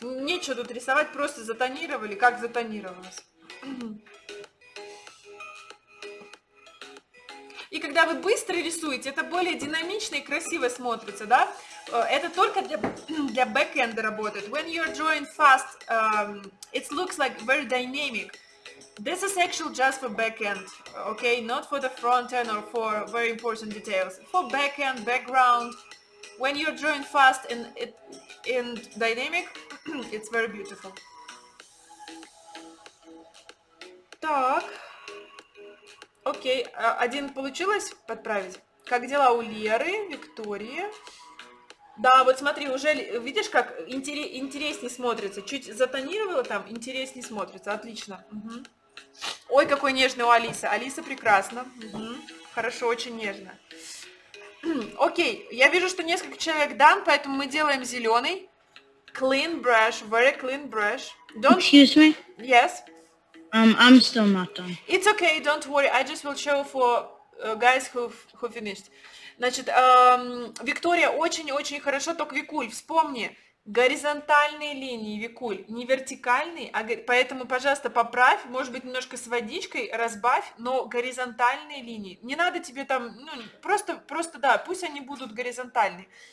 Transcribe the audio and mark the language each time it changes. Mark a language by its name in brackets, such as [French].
[Russian] Нечего тут рисовать, просто затонировали, как затонировалось. И когда вы быстро рисуете, это более динамично и красиво смотрится, да? Это только для бэк-энда работает. [English] When you're drawing fast, it looks like very dynamic. This is actually just for back-end, okay? Not for the front-end or for very important details. For back-end, background, when you're drawing fast and and dynamic. It's very beautiful. [Russian] Так. Окей, один получилось подправить. Как дела у Леры, Виктории? Да, вот смотри, уже видишь, как интереснее смотрится. Чуть затонировала там, интереснее смотрится. Отлично. Угу. Ой, какой нежный у Алисы. Алиса прекрасна. Угу. Хорошо, очень нежно. Окей, я вижу, что несколько человек [English] дан, [Russian] поэтому мы делаем зеленый. [English] Clean brush, very clean brush. Don't... Excuse me? Yes. I'm still not done. It's okay, don't worry. I just will show for guys who finished. [Russian] Значит, Виктория, очень-очень хорошо, только Викуль, вспомни, горизонтальные линии, Викуль, не вертикальные, а поэтому, пожалуйста, поправь, может быть, немножко с водичкой разбавь, но горизонтальные линии. Не надо тебе там, ну, просто, да, пусть они будут горизонтальные.